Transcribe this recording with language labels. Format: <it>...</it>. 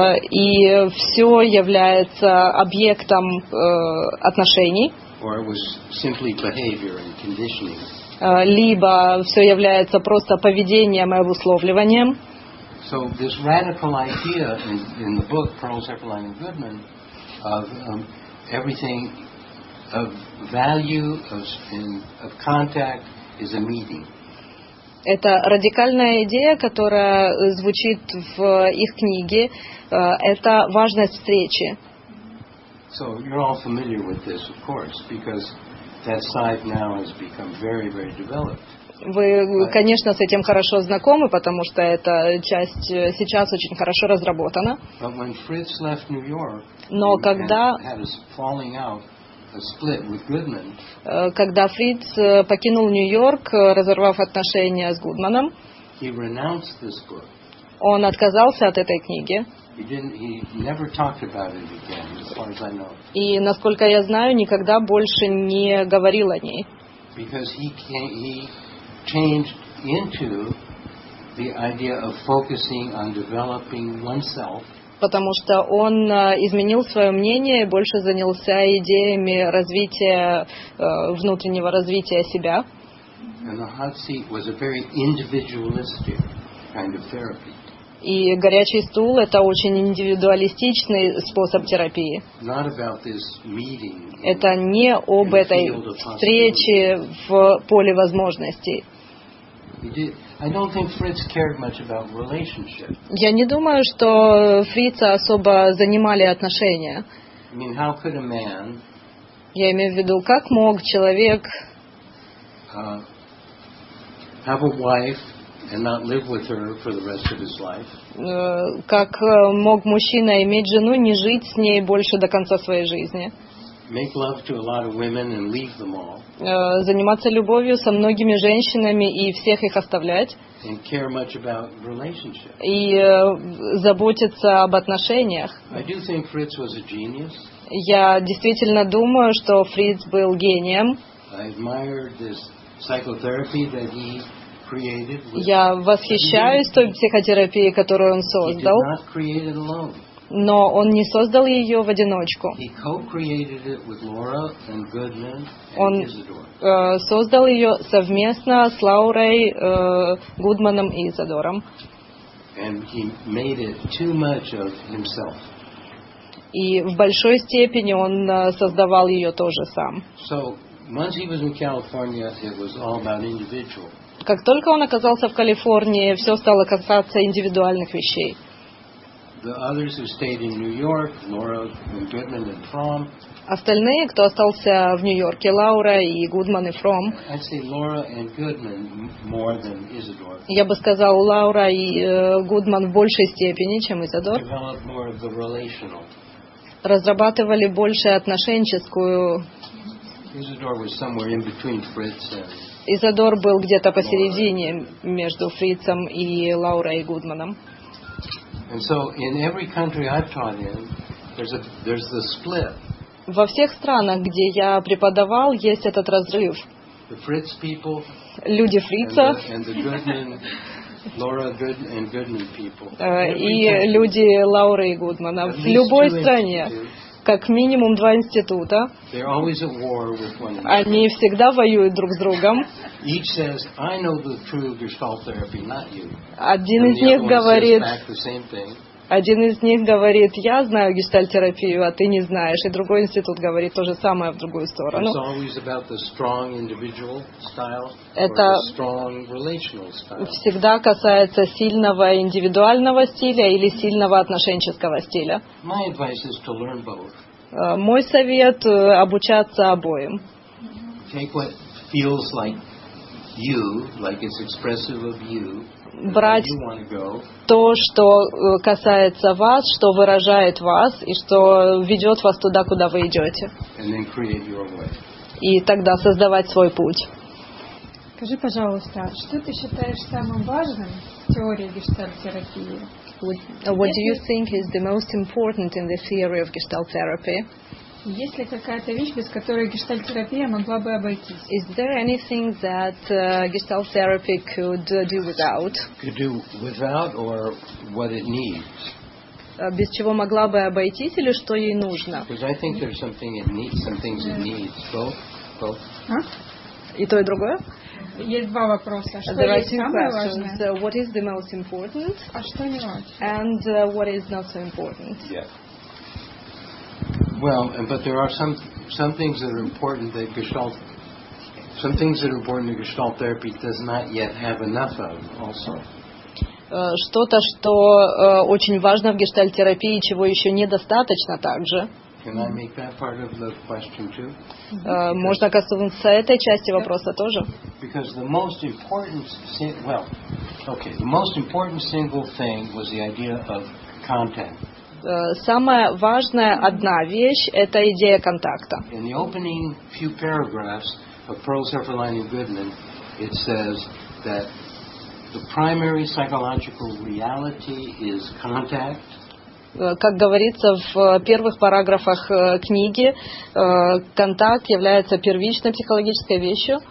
<ru>И все является объектом отношений.</ru> <en>Or it was simply behavior and conditioning.</en> <ru>Либо все является просто поведением и обусловливанием.</ru> <en>So this radical idea in the book Pearl, Zipperlein and Goodman of everything of value of contact is a meeting.</en> <ru>Это радикальная идея, которая звучит в их книге, это важность встречи.</ru> <en>So you're all familiar with this, of course, because that side now has become very, very developed.</en> <ru>Вы, конечно, с этим хорошо знакомы, потому что эта часть сейчас очень хорошо разработана.</ru> <en>But when Fritz left New York,</en> <ru>но когда Фриц покинул Нью-Йорк, разорвав отношения с Гудманом,</ru> <en>he renounced this book.</en> <ru>Он отказался от этой книги.</ru> <en>He never talked about it again, as far as I know.</en> <ru>И, насколько я знаю, никогда больше не говорил о ней.</ru> <en>Because he changed into the idea of focusing on developing oneself.</en> <ru>Потому что он изменил свое мнение и больше занялся идеями развития, внутреннего развития себя.</ru> <en>And the hot seat was a very individualistic kind of therapy.</en> <ru>И горячий стул – это очень индивидуалистичный способ терапии. Это не об этой встрече в поле возможностей. Я не думаю, что Фрица особо занимали отношения.</ru> <en>I mean, how could a man</en> <ru>Я имею в виду, как мог человек</ru> <en>have a wife and not live with her for the rest of his life?</en> <ru>Как мог мужчина иметь жену, не жить с ней больше до конца своей жизни?</ru> <en>Make love to a lot of women and leave them all.</en> <ru>Заниматься любовью со многими женщинами и всех их оставлять.</ru> <en>And care much about relationships.</en> <ru>И заботиться об отношениях.</ru> <en>I do think Fritz was a genius.</en> <ru>Я действительно думаю, что Фриц был гением.</ru> <en>I admired this psychotherapy that he created.</en> <ru>Я восхищаюсь той психотерапией, которую он создал.</ru> <en>He did not create it alone.</en> <ru>Но он не создал ее в одиночку.</ru> <en>He co-created it with Laura and Goodman and</en> <ru>он создал ее совместно с Лаурой, Гудманом и Изадором.</ru> <en>And he made it too much of himself.</en> <ru>И в большой степени он создавал ее тоже сам.</ru> <en>So, once he was in California, it was all about individual.</en> <ru>Как только он оказался в Калифорнии, все стало касаться индивидуальных вещей.</ru> <en>The others who stayed in New York, Laura and Goodman and Fromm.</en> <ru>Остальные, кто остался в Нью-Йорке, Лаура и Гудман и Фромм.</ru> <en>I'd say Laura and Goodman more than Isidore.</en> <ru>Я бы сказал, Лаура и Гудман в большей степени, чем Изадор.</ru> <en>Developed more of the relational.</en> <ru>Разрабатывали больше отношенческую.</ru> <en>Isidore was somewhere in between Fritz and.</en> <ru>Изадор был где-то посередине между Фрицем и Лаурой и Гудманом.</ru> <en>And so in every country I've taught in, there's the split.</en> <ru>Во всех странах, где я преподавал, есть этот разрыв.</ru> <en>The Fritz people.</en> <ru>Люди Фрица.</ru> <en>And the Goodman, Laura Goodman and Goodman people.</en> <ru>И люди Лауры и Гудмана. В любой стране, как минимум два института.</ru> <en>They're always at war with one another.</en> <ru>Они всегда воюют друг с другом.</ru> <en>Each says, I know the true Gestalt therapy, not you.</en> <ru>Один из них говорит, я знаю гештальтерапию, а ты не знаешь. И другой институт говорит то же самое в другую сторону.</ru> <en>It's always about the strong individual style.</en> <ru>Это</ru> <en>strong relational style.</en> <ru>Всегда касается сильного индивидуального стиля или сильного отношенческого стиля.</ru> <en>My advice is to learn both.</en> <ru>Мой совет – обучаться обоим.</ru> <en>Take what feels like you, like it's expressive of you.</en> <ru>Брать то, что касается вас, что выражает вас и что ведет вас туда, куда вы идете.</ru> <en>And then create your way.</en> <ru>И тогда создавать свой путь. Скажи, пожалуйста, что ты считаешь самым важным в теории гештальт-терапии?</ru> <en>What do you think is the most important in the theory of gestalt therapy?</en> <ru>Есть ли какая-то вещь, без которой гештальт-терапия могла бы обойтись?</ru> <en>Is there anything that gestalt therapy could do without? Could do without or what it needs?</en> <ru>Без чего могла бы обойтись или что ей нужно?</ru> <en>Because I think there's something it needs, some things it needs. Both.</en> <ru>И то, и другое? Есть два вопроса. Что есть самое важное?</ru> <en>So what is the most important?</en> <ru>А что не важно?</ru> <en>And what is not so important? Yeah. Well, but there are some things that are important that Gestalt, some things that are important that Gestalt therapy does not yet have enough of also.</en> <ru>Что-то, что очень важно в гештальт-терапии, чего еще недостаточно также.</ru> <en>Can I make that part of the question too?</en> <ru>Можно коснуться этой части вопроса тоже.</ru> <en>Because the most important, the most important single thing was the idea of contact.</en> <ru>Самая важная одна вещь – это идея контакта.</ru> <en>In the opening few paragraphs of Pearl, Zephyrline and Goodman, it says that the primary psychological reality is contact.</en> <ru>Как говорится в первых параграфах книги, контакт является первичной психологической вещью.</ru>